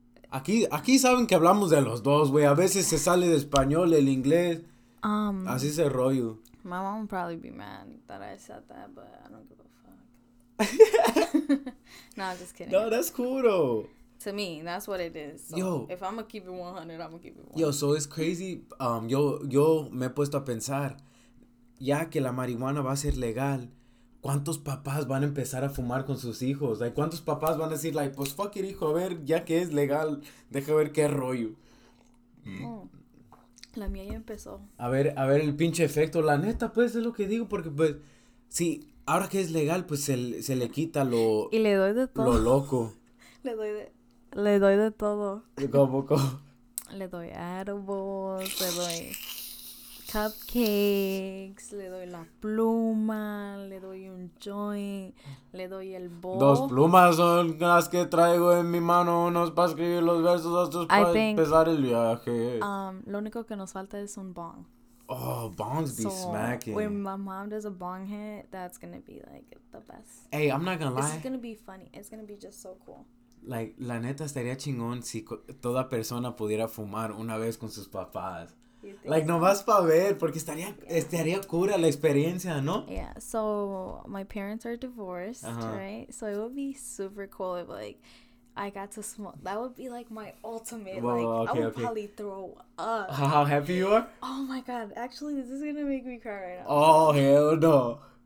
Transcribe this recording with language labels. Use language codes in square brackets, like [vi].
[es] Aquí saben que hablamos de los dos, güey. A veces se sale de español, el inglés. Así es el rollo. [en] my mom would probably be mad that I said that, but I don't give a fuck. No, I'm just No, kidding. that's cool. To me, that's what it is. So Yo, if I'm gonna keep it 100, I'm gonna keep it 100. so it's crazy. [es] Yo me he puesto a pensar, ya que la marihuana va a ser legal, ¿cuántos papás van a empezar a fumar con sus hijos? Like, ¿cuántos papás van a decir, like, pues [en] fuck it, [es] hijo, a ver, ya que es legal, deja ver qué rollo? La mía ya empezó. A ver el pinche efecto. La neta, pues, es lo que digo, porque, pues, sí, ahora que es legal, pues, se le quita lo... Y le doy de todo. Lo loco. Le doy de todo. ¿Cómo? Le doy árboles, le doy cupcakes, le doy la pluma, le doy un joint, le doy el bowl. Dos plumas son las que traigo en mi mano, unos para escribir los versos, otros para empezar el viaje. Lo único que nos falta es un bong. [en] Oh, bongs be so smacking. When my mom does a bong hit, that's gonna be like the best. Hey, I'm not gonna lie. This is gonna be funny. It's gonna be just so cool. [es] Like, la neta estaría chingón si toda persona pudiera fumar una vez con sus papás. Like, no vas pa' ver, porque estaría cura la experiencia, ¿no? [en] Yeah, so, my parents are divorced, right? So, it would be super cool if, like, I got to smoke. That would be, like, my ultimate. Whoa, like, okay, I would probably throw up. How happy you are? Oh, my God. Actually, this is gonna make me cry right now. Oh, hell no.